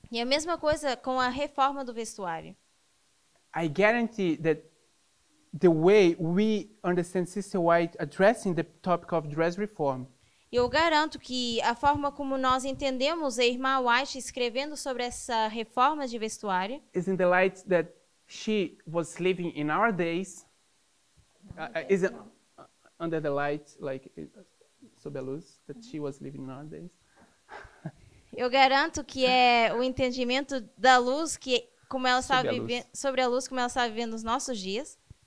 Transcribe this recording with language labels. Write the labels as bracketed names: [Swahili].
[Portuguese] E a mesma coisa com a reforma do vestuário. [English] I guarantee that the way we understand Sister White addressing the topic of dress reform. [Portuguese] Eu garanto que a forma como nós entendemos a irmã White escrevendo sobre essa reforma de vestuário [English] is in the light that she was living in our days. Is under the light, like [Portuguese] sob a luz [English] that she was living in our days. [Portuguese] Eu garanto que é o entendimento da luz que como ela estava vivendo sobre a luz como ela estava vivendo nos nossos dias.